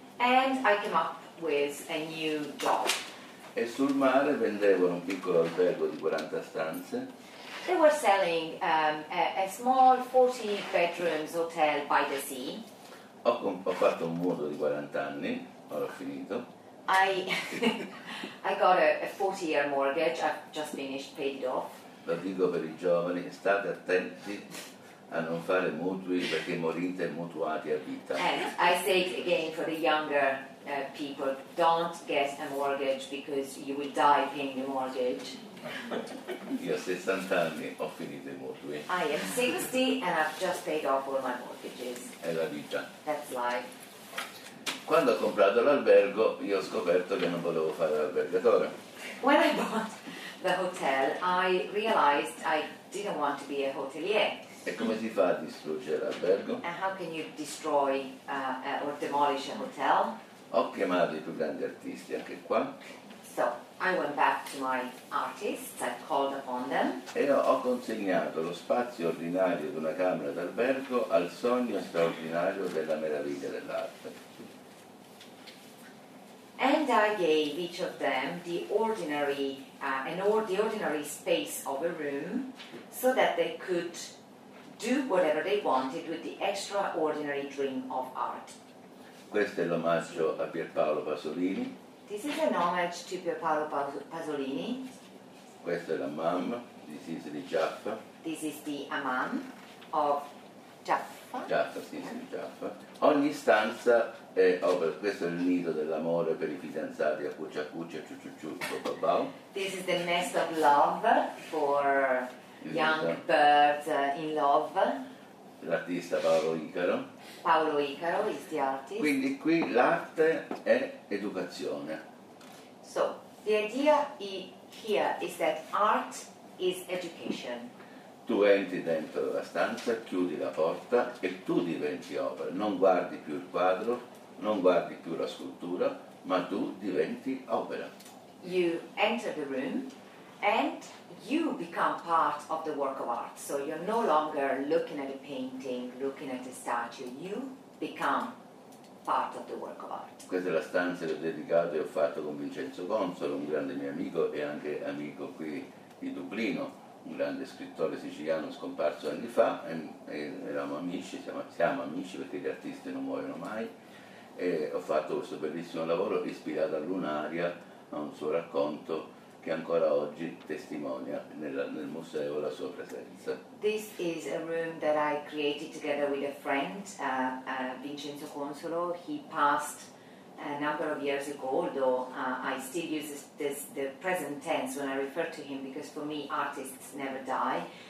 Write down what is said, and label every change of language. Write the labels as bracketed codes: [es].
[en] And I came up with a new job. [it] E sul mare vendevano un piccolo albergo di 40 stanze. [en] They were selling a small 40 bedrooms hotel by the sea. [it] Ho fatto un mutuo di 40 anni, ora ho finito. [en] I got a 40 year mortgage, I've just finished, paid it off. [it] Lo dico per i giovani, state attenti a non fare mutui perché morite mutuati a vita. [en] And I say it again for the younger people, don't get a mortgage because you will die paying the mortgage. [it] Io a 60 anni ho finito i mutui. [en] I am 60 and I've just paid off all my mortgages. [it] È la vita. [en] That's life. [it] Quando ho comprato l'albergo, io ho scoperto che non volevo fare l'albergatore. [en] When I bought the hotel, I realized I didn't want to be a hotelier. [it] E come si fa a distruggere l'albergo? [en] And how can you destroy or demolish a hotel? [it] Ho chiamato i più grandi artisti anche qua. [en] So I went back to my artists, I called upon them. [it] E ho consegnato lo spazio ordinario di una camera d'albergo al sogno straordinario della meraviglia dell'arte. [en] And I gave each of them the ordinary space of a room so that they could do whatever they wanted with the extraordinary dream of art. [it] Questo è l'omaggio a Pierpaolo Pasolini. [en] This is an homage to Pierpaolo Pasolini. [it] Questa è la mamma, [en] this is [it] di Jaffa. [en] This is the Amam of Jaffa. Jaffa, this is Jaffa. [it] Ogni stanza è opera, questo è il nido dell'amore per i fidanzati a cuccia cuccia, ciu ciu ciu, babau. [en] This is the nest of love for young birds in love. [it] L'artista Paolo Icaro. [en] Paolo Icaro is the artist. [it] Quindi qui l'arte è educazione. [en] So, The idea here is that art is education. [it] Tu entri dentro la stanza, chiudi la porta e tu diventi opera. Non guardi più il quadro, non guardi più la scultura, ma tu diventi opera. [en] You enter the room and you become part of the work of art. So you're no longer looking at a painting, looking at a statue. You become part of the work of art. [it] Questa è la stanza che ho dedicato e ho fatto con Vincenzo Consolo, un grande mio amico e anche amico qui di Dublino, un grande scrittore siciliano scomparso anni fa, e eravamo amici, siamo amici perché gli artisti non muoiono mai, e ho fatto questo bellissimo lavoro ispirato a Lunaria, a un suo racconto che ancora oggi testimonia nel museo la sua presenza. [en] This is a room that I created together with a friend, Vincenzo Consolo. He passed a number of years ago, although I still use the present tense when I refer to him, because for me artists never die.